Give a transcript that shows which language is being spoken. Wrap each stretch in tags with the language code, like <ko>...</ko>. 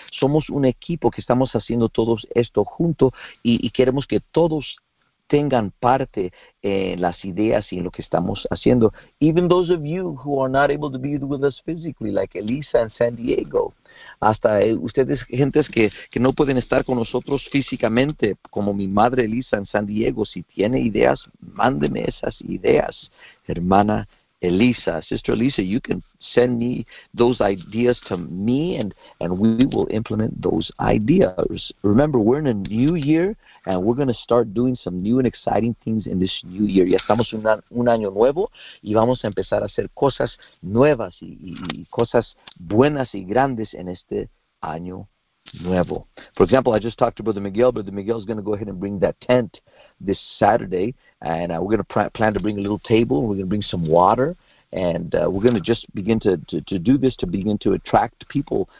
<es>Somos un equipo que estamos haciendo todo esto junto y queremos que todos tengan parte en las ideas y en lo que estamos haciendo.</es> <en>Even those of you who are not able to be with us physically, like Elisa in San Diego.</en> <es>Hasta ustedes, gentes que no pueden estar con nosotros físicamente, como mi madre Elisa en San Diego. Si tiene ideas, mándeme esas ideas, hermana Elisa.</es> <en>Sister Elisa, you can send me those ideas to me and we will implement those ideas. Remember, we're in a new year and we're going to start doing some new and exciting things in this new year.</en> <es>Ya estamos en un año nuevo y vamos a empezar a hacer cosas nuevas y cosas buenas y grandes en este año nuevo.</es> <en>For example, I just talked to Brother Miguel. Brother Miguel is going to go ahead and bring that tent this Saturday, and we're going to plan to bring a little table, and we're going to bring some water, and we're going to just begin to do this to begin to attract people.</en>